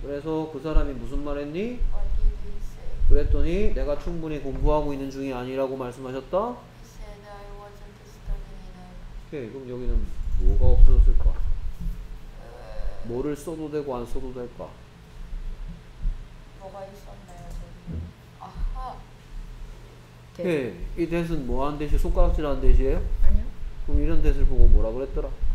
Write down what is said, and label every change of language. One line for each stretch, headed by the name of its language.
Korean: 그래서 그 사람이 무슨 말했니?
English: What did he say?
Korean: 그랬더니 내가 충분히 공부하고 있는 중이 아니라고 말씀하셨다?
English: He said I wasn't studying enough.
Korean: 오케이. 그럼 여기는 뭐가 없어졌을까? 뭐를 써도 되고 안 써도 될까? 뭐가 있었나요 저기? 아하! 오케이. 이 that은 뭐하는 that이에요? 손가락질하는 that이에요? 아니요. 그럼 이런 that을 보고 뭐라 그랬더라?